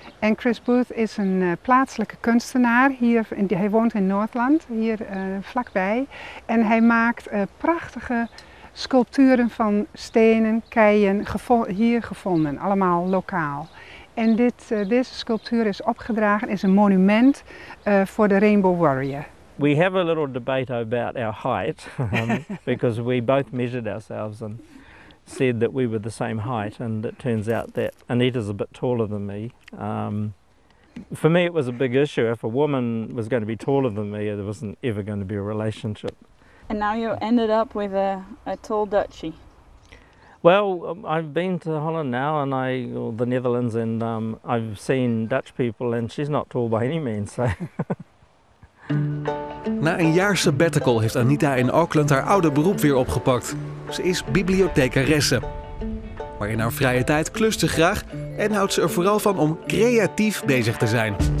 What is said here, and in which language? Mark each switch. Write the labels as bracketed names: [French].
[Dutch] En Chris Booth is een plaatselijke kunstenaar. Hij woont in Noordland, hier vlakbij. En hij maakt prachtige sculpturen van stenen, keien, hier gevonden, allemaal lokaal. En deze sculptuur is opgedragen, is een monument voor de Rainbow Warrior. [English] We have a little debate about our height, because we both measured ourselves and said that we were the same height, and it turns out that Anita's a bit taller than me. For me it was a big issue. If a woman was going to be taller than me, there wasn't ever going to be a relationship. And now you ended up with a tall Dutchie. Well, I've been to Holland now, and the Netherlands, and I've seen Dutch people, and she's not tall by any means. So. [Dutch] Na een jaar sabbatical heeft Anita in Auckland haar oude beroep weer opgepakt. Ze is bibliothecaresse. Maar in haar vrije tijd klust ze graag en houdt ze er vooral van om creatief bezig te zijn.